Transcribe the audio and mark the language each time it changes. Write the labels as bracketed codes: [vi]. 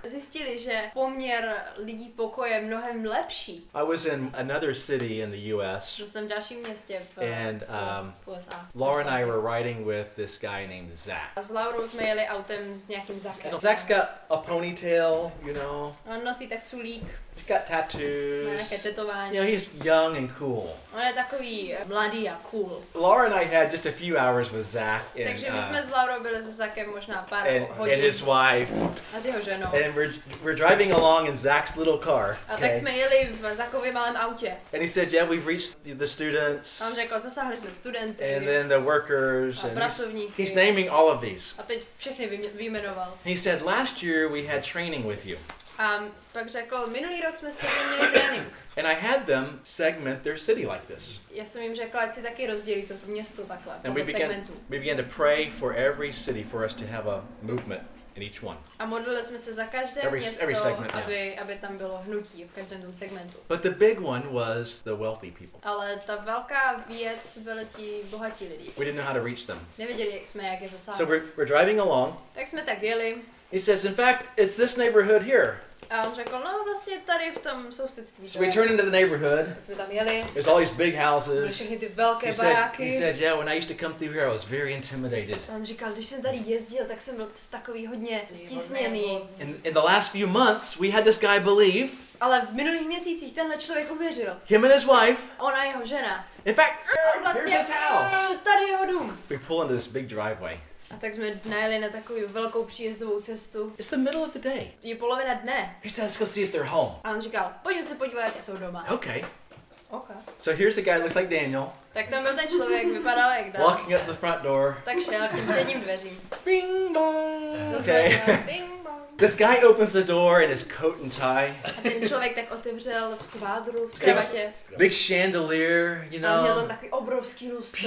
[cs] Zjistili, že poměr lidí pokoje je mnohem lepší. [en] I was in another city in the U.S. [cs] Byl jsem v dalším městě v USA. [en] And Laura and I were riding with this guy named Zach. [cs] A s Laurou jsme jeli autem s nějakým Zachem. [en] Zach's got a ponytail, you know. [cs] On nosí tak culík. [en] He's got tattoos. [cs] Tetování. [en] You know, he's young and cool. [cs] On je takový mladý a cool. [en] Laura and I had just a few hours with Zach. In, [cs] takže my jsme s Laurou byli se Zachem možná pár [en] and, [cs] hodin. [en] And his wife. [cs] A s jeho ženou. [en] And we're driving along in Zach's little car. [cs] A okay. Tak jsme jeli v Zachově malém autě. [en] And he said, yeah, we've reached the students. [cs] A on řekl, zasáhli jsme studenty. [en] And then the workers. [cs] A pracovníky. [en] He's naming all of these. [cs] A teď všechny vyjmenoval. [en] He said, last year we had training with you. [cs] Pak řekl, minulý rok jsme s tebou měli trénink. [en] And I had them segment their city like this. [cs] Já jsem jim řekl, ať si taky rozdělí toto město takhle. [en] And we began to pray for every city for us to have a movement in each one. [cs] A modlili jsme se za každé město, aby tam bylo hnutí v každém tom segmentu. [en] But the big one was the wealthy people. [cs] Ale ta velká věc byly ti bohatí lidi. [en] We didn't know how to reach them. [cs] Nevěděli jsme, jak je zasáhnout. [en] So we're driving along. [cs] Tak jsme tak jeli. [en] He says, in fact, it's this neighborhood here. [cs] A on řekl, no vlastně tady v tom sousedství. [en] So we turn into the neighborhood. There's all these big houses. [cs] Ty velké baráky. [en] He said, yeah, when I used to come through here, I was very intimidated. [cs] A on říkal, když jsem tady jezdil, tak jsem byl takový hodně stísněný. [en] In the last few months, we had this guy believe. [cs] Ale v minulých měsících tenhle člověk uvěřil. [en] Him and his wife. [cs] Ona jeho žena. [en] In fact, vlastně, here's his house. [cs] Tady jeho dům. [en] We pull into this big driveway. [cs] A tak jsme najeli na takovou velkou příjezdovou cestu. [en] It's the middle of the day. [cs] Je polovina dne. [en] He said, let's go see if they're home. [cs] A on říkal, pojďme se podívat, jestli jsou doma. Okay. Okay. [en] So here's a guy looks like Daniel. [cs] Tak tam byl ten člověk, vypadal jak Daniel. [en] Walking up the front door. [cs] Tak šel k tím předním dveřím. Bing bong. Okay. Bing bong. [en] This guy opens the door in his coat and tie. [cs] A ten člověk tak otevřel v kvádru, v kravatě. [en] Big chandelier, you know. [cs] A měl tam takový obrovský lustr.